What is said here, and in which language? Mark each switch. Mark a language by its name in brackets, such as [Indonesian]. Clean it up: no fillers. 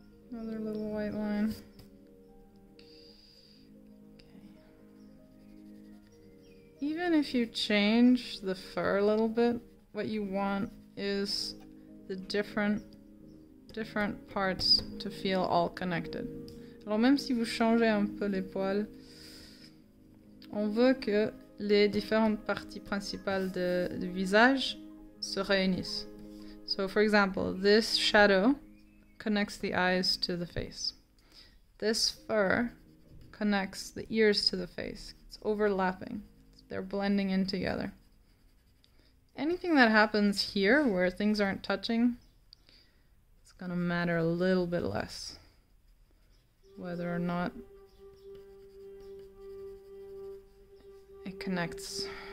[English] Another little white line. Okay. Even if you change the fur a little bit, what you want is the different parts to feel all connected. [French] Alors même si vous changez un peu les poils, on veut que les différentes parties principales du visage se réunissent. [English] So for example, this shadow connects the eyes to the face. This fur connects the ears to the face. It's overlapping. They're blending in together. Anything that happens here where things aren't touching, it's gonna matter a little bit less whether or not it connects.